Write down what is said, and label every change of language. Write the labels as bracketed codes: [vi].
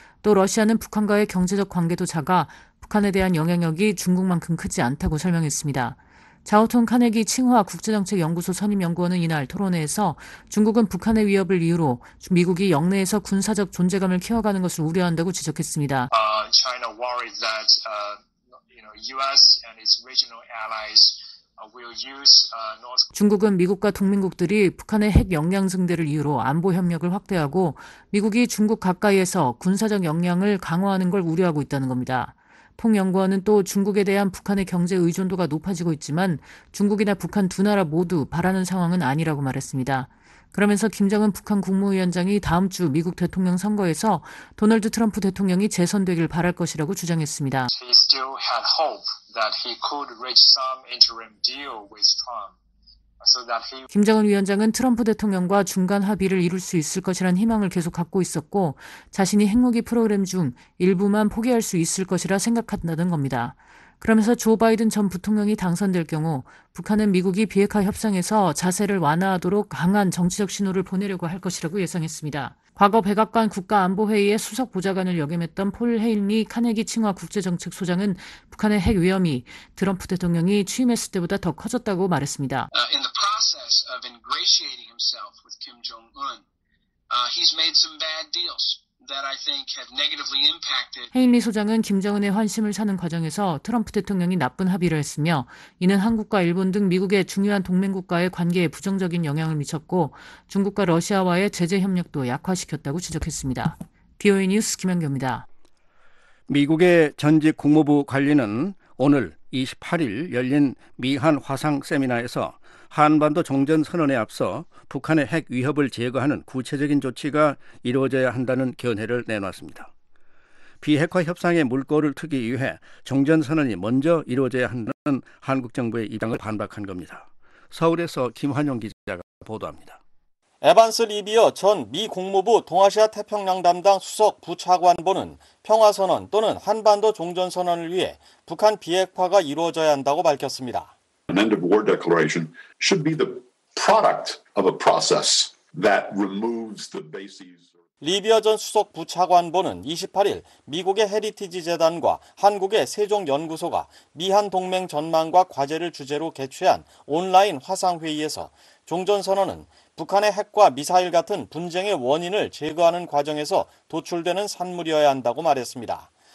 [ko] 또 러시아는 북한과의 경제적 관계도 작아 북한에 대한 영향력이 중국만큼 크지 않다고 설명했습니다. 자오톤 카네기 칭화 국제정책연구소 선임연구원은 이날 토론회에서 중국은 북한의 위협을 이유로 미국이 영내에서 군사적 존재감을 키워가는 것을 우려한다고 지적했습니다. [en] China worries that US and its regional allies will use North. [ko] 중국은 미국과 동맹국들이 북한의 핵 역량 증대를 이유로 안보 협력을 확대하고 미국이 중국 가까이에서 군사적 역량을 강화하는 걸 우려하고 있다는 겁니다. 통 연구원은 또 중국에 대한 북한의 경제 의존도가 높아지고 있지만 중국이나 북한 두 나라 모두 바라는 상황은 아니라고 말했습니다. 그러면서 김정은 북한 국무위원장이 다음 주 미국 대통령 선거에서 도널드 트럼프 대통령이 재선되길 바랄 것이라고 주장했습니다. [en] He still had hope that he could reach some interim deal with Trump. [ko] 김정은 위원장은 트럼프 대통령과 중간 합의를 이룰 수 있을 것이란 희망을 계속 갖고 있었고 자신이 핵무기 프로그램 중 일부만 포기할 수 있을 것이라 생각한다는 겁니다. 그러면서 조 바이든 전 부통령이 당선될 경우 북한은 미국이 비핵화 협상에서 자세를 완화하도록 강한 정치적 신호를 보내려고 할 것이라고 예상했습니다. 과거 백악관 국가안보회의의 수석보좌관을 역임했던 폴 헤일리 카네기 칭화 국제정책소장은 북한의 핵 위험이 트럼프 대통령이 취임했을 때보다 더 커졌다고 말했습니다. [en] In the process of ingratiating himself with Kim Jong-un, he's made some bad deals. that I think have negatively impacted. [ko] 헤일리 소장은 김정은의 환심을 사는 과정에서 트럼프 대통령이 나쁜 합의를 했으며 이는 한국과 일본 등 미국의 중요한 동맹국과의 관계에 부정적인 영향을 미쳤고 중국과 러시아와의 제재 협력도 약화시켰다고 지적했습니다. BOA 뉴스 김현경입니다. 미국의 전직 국무부 관리는 오늘 28일 열린 미한 화상 세미나에서 한반도 종전 선언에 앞서 북한의 핵 위협을 제거하는 구체적인 조치가 이루어져야 한다는 견해를 내놨습니다. 비핵화 협상의 물꼬를 트기 위해 종전 선언이 먼저 이루어져야 한다는 한국 정부의 입장을 반박한 겁니다. 서울에서 김환용 기자가 보도합니다. 에반스 리비어 전 미 국무부 동아시아 태평양 담당 수석 부차관보는 평화선언 또는 한반도 종전선언을 위해 북한 비핵화가 이루어져야 한다고 밝혔습니다. [en] An end of war declaration should be the product of a process that removes the bases. [ko] 리비어 전 수석 부차관보는 28일 미국의 헤리티지 재단과 한국의 세종연구소가 미한 동맹 전망과 과제를 주제로 개최한 온라인 화상회의에서 종전선언은 북한의 핵과 미사일 같은 분쟁의 원인을 제거하는 과정에서 도출되는 산물이어야 한다고 말했습니다.